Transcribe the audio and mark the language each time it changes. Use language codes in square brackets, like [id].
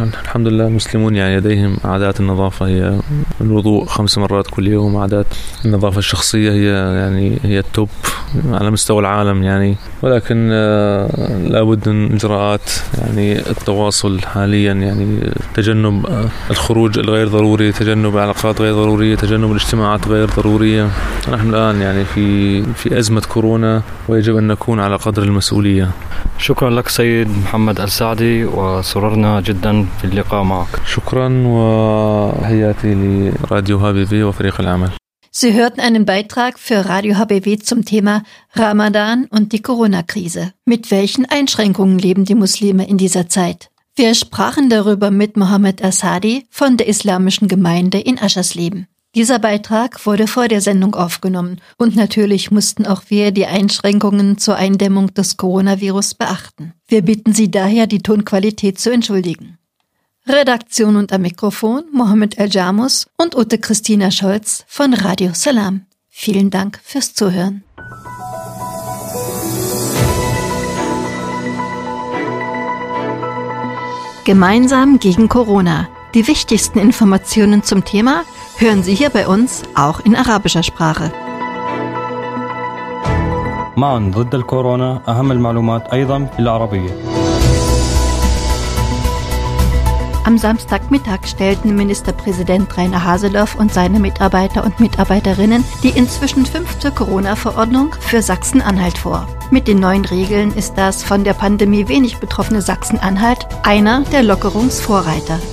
[ar] الحمد لله المسلمون يعني لديهم عادات النظافة، هي الوضوء 5 مرات كل يوم، عادات النظافة الشخصية هي يعني هي التوب على مستوى العالم يعني، ولكن لابد من إجراءات يعني التواصل حاليا، يعني تجنب الخروج الغير ضروري، تجنب علاقات غير ضرورية، تجنب الاجتماعات غير ضرورية. نحن الآن يعني في أزمة كورونا، ويجب أن نكون على قدر المسؤولية. شكرا لك سيد محمد السعدي، وسررنا جدا في اللقاء معك. شكرا وحياتي لراديو هابيبي وفريق العمل. [de] Sie hörten einen Beitrag für Radio HBW zum Thema Ramadan und die Corona-Krise. Mit welchen Einschränkungen leben die Muslime in dieser Zeit? Wir sprachen darüber mit Mohammed Asadi von der Islamischen Gemeinde in Aschersleben. Dieser Beitrag wurde vor der Sendung aufgenommen und natürlich mussten auch wir die Einschränkungen zur Eindämmung des Coronavirus beachten. Wir bitten Sie daher, die Tonqualität zu entschuldigen. Redaktion und am Mikrofon Mohammed El-Jamus und Ute Christina Scholz von Radio Salam. Vielen Dank fürs Zuhören. Gemeinsam gegen Corona. Die wichtigsten Informationen zum Thema hören Sie hier bei uns auch in arabischer Sprache. [ar] معن ضد الكورونا أهم المعلومات أيضا في العربية. [de] Am Samstagmittag stellten Ministerpräsident Rainer Haseloff und seine Mitarbeiter und Mitarbeiterinnen die inzwischen 5. Corona-Verordnung für Sachsen-Anhalt vor. Mit den neuen Regeln ist das von der Pandemie wenig betroffene Sachsen-Anhalt einer der Lockerungsvorreiter.